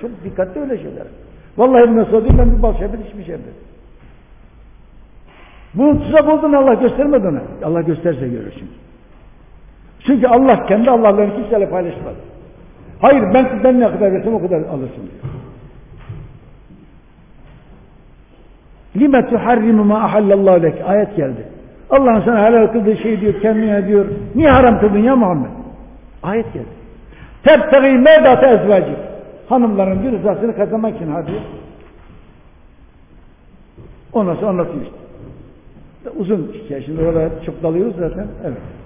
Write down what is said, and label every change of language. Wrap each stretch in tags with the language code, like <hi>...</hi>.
<tr>Çok dikkatli öyle şeyler. Vallahi evime soruyor ben bir bal şerbeti içmişim dedi. Bunun tuzak olduğunu Allah göstermedi ona. Allah gösterse görür şimdi. Çünkü Allah kendi Allah'larını kimseyle paylaşmaz. Hayır ben ne kadar versem o kadar alırsın diyor.</tr> <ar>لِمَ تُحَرِّمُ مَا أَحَلَّ اللّٰهُ لَكِ</ar> <tr>Ayet geldi. Allah'ın sana helal kıldığı şeyi diyor, kendine diyor. Niye haram kıldın ya Muhammed? Ayet geldi.</tr> <ar>تَبْتَغِي مَرْضَاتَ اَزْوَاجِكِ</ar> <tr>Hanımların bir rızasını kazanmak için hadi. O nasıl anlatayım işte. Uzun hikaye şimdi orada çok dalıyoruz zaten. Evet.</tr>